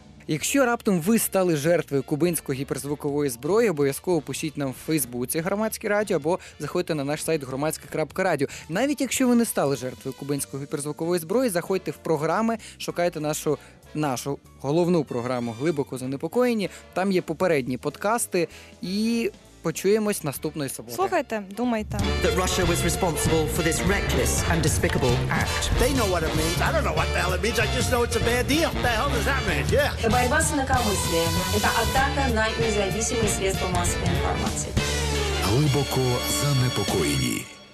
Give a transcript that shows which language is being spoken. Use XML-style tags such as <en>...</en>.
<uk>Якщо раптом ви стали жертвою кубинської гіперзвукової зброї, обов'язково пишіть нам в Фейсбуці «Громадське радіо» або заходьте на наш сайт громадське.радіо. Навіть якщо ви не стали жертвою кубинської гіперзвукової зброї, заходьте в програми, шукайте нашу головну програму «Глибоко занепокоєні». Там є попередні подкасти і почуємось наступної суботи. Слухайте, думайте.</uk> <en>That Russia was responsible for this reckless and despicable act. They know what it means. I don't know what the hell it means. I just know it's a bad deal. What the hell does that mean?</en> <uk>Yeah. Хіба я вас не кавусь? Це атака на найнезалежні средства масової інформації. Глибоко занепокоєні.</uk>